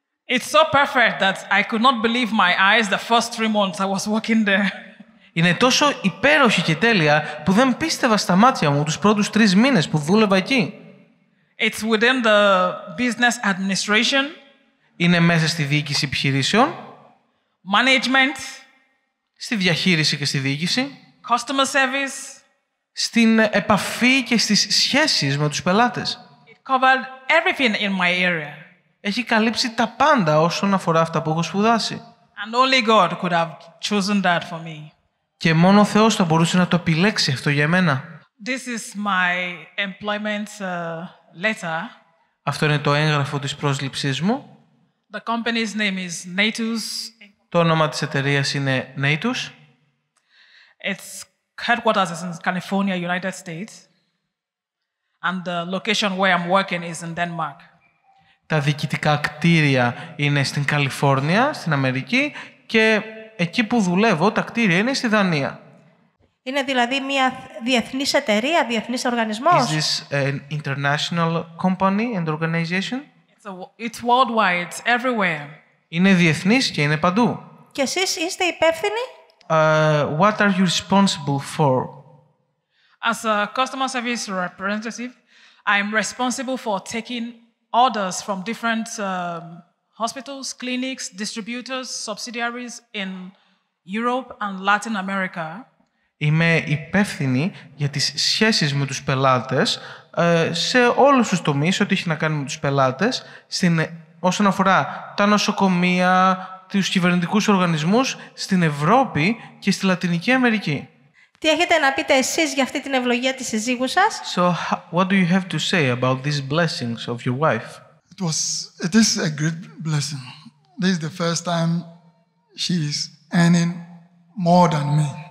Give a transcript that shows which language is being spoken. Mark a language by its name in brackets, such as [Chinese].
[English] It's so perfect that I could not believe my eyes the first 3 months I was working there. [Greek] Είναι τόσο υπέροχη και τέλεια που δεν πίστευα στα μάτια μου τους πρώτους 3 μήνες που δούλευα εκεί. [English] It's within the business administration. [Greek] Είναι μέσα στη διοίκηση επιχειρήσεων. [English] Management. [Greek] Στη διαχείριση και στη διοίκηση. [English] Customer service. [Greek] Στην επαφή και στις σχέσεις με τους πελάτες. [English] It covered everything in my area. [Greek] Έχει καλύψει τα πάντα όσον αφορά αυτά που έχω σπουδάσει. [English] And only God could have chosen that for me. [Greek] Και μόνο ο Θεός θα μπορούσε να το επιλέξει αυτό για μένα. [English] This is my employment letter. [Greek] Αυτό είναι το έγγραφο της πρόσληψής μου. [English] The company's name is Natus. [Greek] Το όνομα της εταιρείας είναι Natus. [English] Its headquarters is in California, United States. And the location where I'm working is in Denmark. [Greek] Τα διοικητικά κτίρια είναι στην Καλιφόρνια, στην Αμερική και εκεί που δουλεύω, τα κτίρια είναι στη Δανία. Είναι δηλαδή μια διεθνής εταιρεία, διεθνής οργανισμός. [English] Is this an international company and organization? It's worldwide, it's everywhere. [Greek] Είναι διεθνής και είναι παντού. Και εσείς είστε υπεύθυνοι? [English] What are you responsible for? As a customer service representative, I'm responsible for taking orders from different hospitals, clinics, distributors, subsidiaries in Europe and Latin America. [Greek] Είμαι υπεύθυνη για τις σχέσεις με τους πελάτες σε όλους τους τομείς, ό,τι έχει να κάνει με τους πελάτες, όσον αφορά τα νοσοκομεία, τους κυβερνητικούς οργανισμούς στην Ευρώπη και στη Λατινική Αμερική. Τι έχετε να πείτε εσείς για αυτή την ευλογία της συζύγου σας? [English] So, what do you have to say about these blessings of your wife? It is a great blessing. This is the first time she is earning more than me.